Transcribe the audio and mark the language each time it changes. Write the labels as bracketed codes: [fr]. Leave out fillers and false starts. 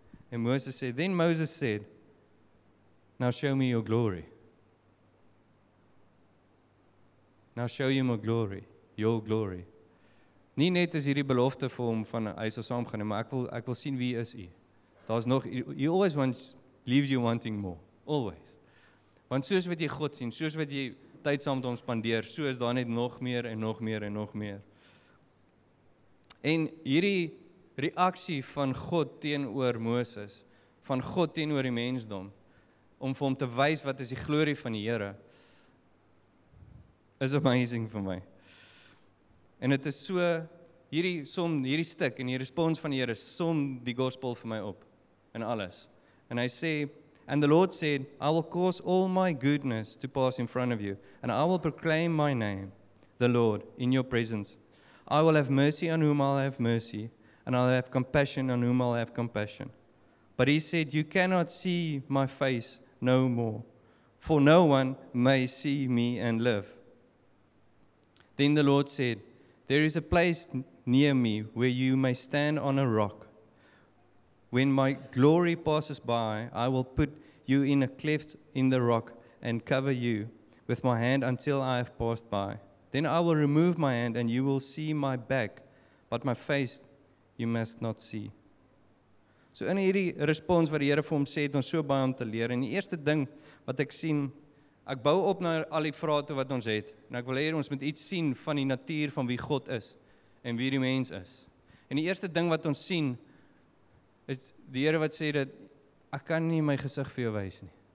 [af] En Moses sê, [en] then Moses said, now show me your glory. Now show you my glory, your glory. Nie net is hierdie belofte vir hom van, hy sal saam gaan, maar ek wil sien wie is hy. [af] Daar is nog, [en] he always leaves you wanting more, always. [af] Want soos wat jy God sien, soos wat jy tyd saam met hom spandeer, so is daar net nog meer en nog meer en nog meer. En hierdie reaksie van God teenoor Moses, van God teenoor die mensdom, om vir hom te wys wat is die glorie van die Here, is amazing vir my. En het is so, hierdie som, hierdie stuk en die respons van die Here, som die gospel vir my op, en alles. [en] And I say, and the Lord said, I will cause all my goodness to pass in front of you, and I will proclaim my name, the Lord, in your presence. I will have mercy on whom I'll have mercy, and I'll have compassion on whom I'll have compassion. But he said, you cannot see my face no more, for no one may see me and live. Then the Lord said, there is a place near me where you may stand on a rock. When my glory passes by, I will put you in a cleft in the rock and cover you with my hand until I have passed by. Then I will remove my hand and you will see my back, but my face you must not see. [af] So in hierdie respons wat die Here vir hom sê, het ons so baie om te leer. En die eerste ding wat ek sien, ek bou op na al die vrae toe wat ons het. En ek wil hê ons moet iets sien van die natuur van wie God is en wie die mens is. En die eerste ding wat ons sien, is die Here wat sê dat ek kan nie my gesig vir jou wys nie.